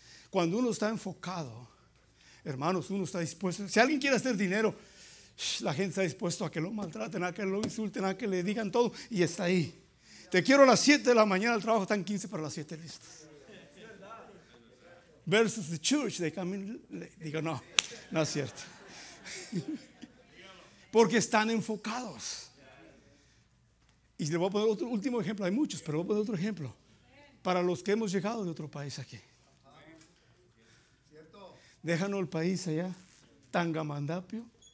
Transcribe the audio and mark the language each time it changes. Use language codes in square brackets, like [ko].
[es] Cuando uno está enfocado, hermanos, uno está dispuesto, si alguien quiere hacer dinero, la gente está dispuesta a que lo maltraten, a que lo insulten, a que le digan todo y está ahí. Te quiero a las 7 de la mañana al trabajo, están 15 para las 7 listos. [en] Versus the church, they come in late. [es] Digo, no es cierto. Porque están enfocados. Y le voy a poner otro último ejemplo, hay muchos, pero voy a poner otro ejemplo. Para los que hemos llegado de otro país aquí. Déjanos el país allá, Tangamandapio.